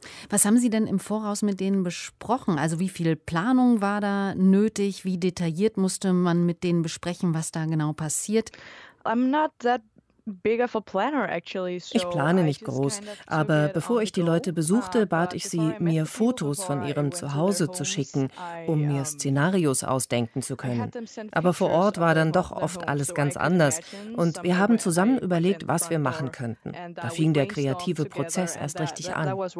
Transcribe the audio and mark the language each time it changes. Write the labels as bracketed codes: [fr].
[de] Was haben Sie denn im Voraus mit denen besprochen? Also wie viel Planung war da nötig? Wie detailliert musste man mit denen besprechen, was da genau passiert? [en] I'm not that big of a planner actually. [de] Ich plane nicht groß, aber bevor ich die Leute besuchte, bat ich sie, mir Fotos von ihrem Zuhause zu schicken, um mir Szenarios ausdenken zu können. Aber vor Ort war dann doch oft alles ganz anders und wir haben zusammen überlegt, was wir machen könnten. Da fing der kreative Prozess erst richtig an.